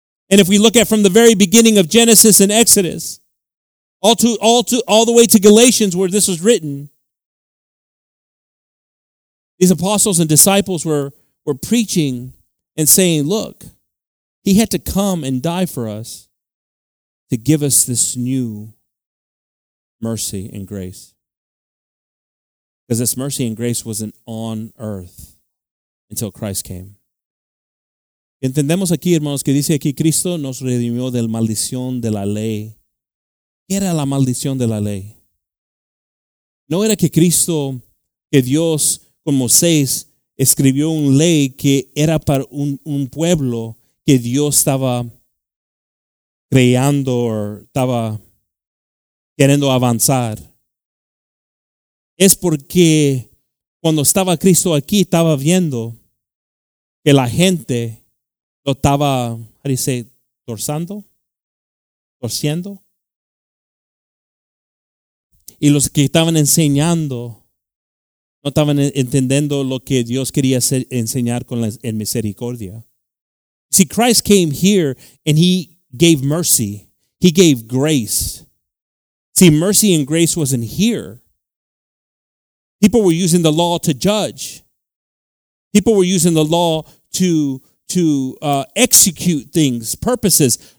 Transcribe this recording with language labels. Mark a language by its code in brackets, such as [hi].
[en] And if we look at from the very beginning of Genesis and Exodus, all the way to Galatians where this was written, these apostles and disciples were preaching and saying, look, he had to come and die for us to give us this new mercy and grace. Because this mercy and grace wasn't on earth until Christ came. [es] Entendemos aquí, hermanos, que dice aquí, Cristo nos redimió del maldición de la ley. ¿Qué era la maldición de la ley? No era que Cristo, que Dios, con Moisés, escribió una ley que era para un pueblo que Dios estaba creando o estaba queriendo avanzar. Es porque cuando estaba Cristo aquí, estaba viendo que la gente lo estaba, ¿cómo dice? Torciendo. Y los que estaban enseñando no estaban entendiendo lo que Dios quería enseñar con la misericordia. [en] See, Christ came here and he gave mercy. He gave grace. See, mercy and grace wasn't here. People were using the law to judge. People were using the law to execute things, purposes.